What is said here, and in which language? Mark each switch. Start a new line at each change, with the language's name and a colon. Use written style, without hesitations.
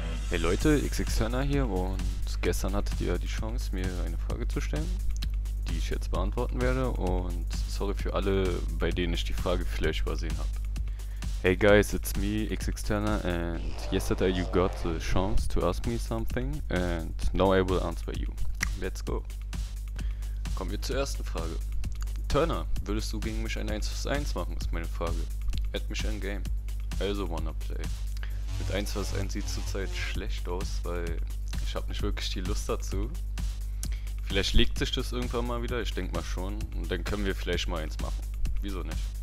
German: Hey Leute, XXHörner hier, und gestern hattet ihr die Chance, mir eine Frage zu stellen, die ich jetzt beantworten werde. Und sorry für alle, bei denen ich die Frage vielleicht übersehen habe.
English: Hey guys, it's me, XXHörner, and yesterday you got the chance to ask me something, and now I will answer you. Let's go.
German: Kommen wir zur ersten Frage. Turner, würdest du gegen mich ein 1-1 machen, ist meine Frage. Add mich in Game.
English: Also wanna play.
German: Mit 1 vs 1 sieht es zurzeit schlecht aus, weil ich habe nicht wirklich die Lust dazu. Vielleicht legt sich das irgendwann mal wieder, ich denke mal schon. Und dann können wir vielleicht mal eins machen. Wieso nicht?